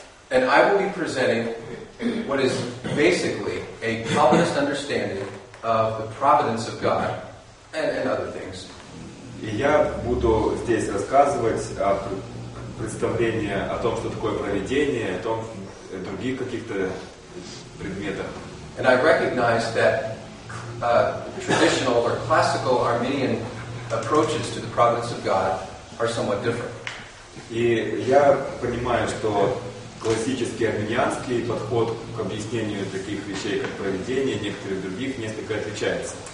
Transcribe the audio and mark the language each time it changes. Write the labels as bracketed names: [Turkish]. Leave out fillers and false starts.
[English] And I will be presenting what is basically a Calvinist understanding of the providence of God and other things. [Russian] И я буду здесь рассказывать о представление о том, что такое провидение, о том, о других каких-то предметах. [English] And I recognize that traditional or classical Arminian approaches to the providence of God are somewhat different. [Russian] И я понимаю, что классический арминианский подход к объяснению таких вещей, как провидение, некоторых других, несколько отличается.